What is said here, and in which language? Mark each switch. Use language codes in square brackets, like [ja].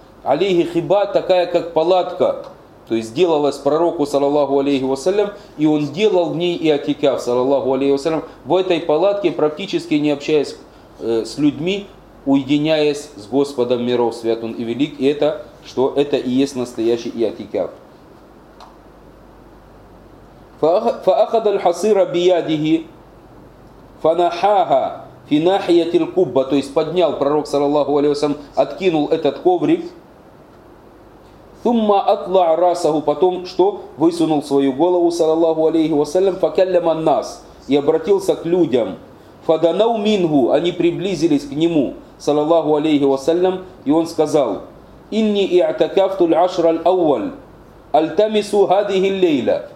[ru] Алейхи хиба – такая, как палатка. То есть, делалась пророку, саллаллаху алейхи вассалям, и он делал в ней иатикаф, саллаллаху алейхи вассалям, в этой палатке, практически не общаясь с людьми, уединяясь с Господом миров, свят он и велик. И это, что это и есть настоящий иатикаф. [ar] فأخذ الحصير بيده فنحاها في ناحية الكبة. [ru] То есть поднял пророк, саллаллаху алейхи вассалям, откинул этот коврик. [ar] ثم أطلع رأسه, потом что? [ru] Высунул свою голову, саллаллаху алейхи вассалям, فكلم الناس, и обратился к людям. فدنوا منه, они приблизились к нему, саллаллаху алейхи вассалям, и он сказал: إني اعتكفت العشر الأول «Альтамису гадихи лейля».